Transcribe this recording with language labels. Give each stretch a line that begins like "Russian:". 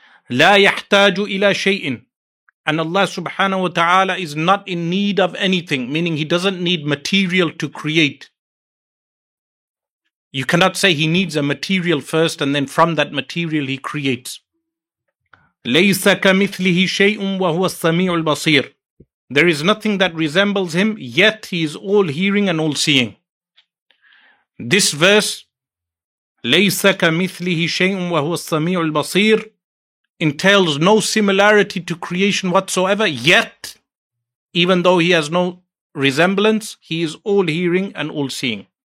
Arabic: لا يحتاج إلى شيء.
English: And Allah subhanahu wa ta'ala is not in need of anything, meaning he doesn't need material to create. You cannot say he needs a material first and then from that material he creates.
Arabic: ليس كمثله شيء وهو السميع البصير.
English: There is nothing that resembles him, yet he is all hearing and all seeing. This verse,
Arabic: ليس كمثله شيء وهو السميع البصير,
English: entails no similarity to creation whatsoever, yet, even though he has no resemblance, he is all hearing and all seeing.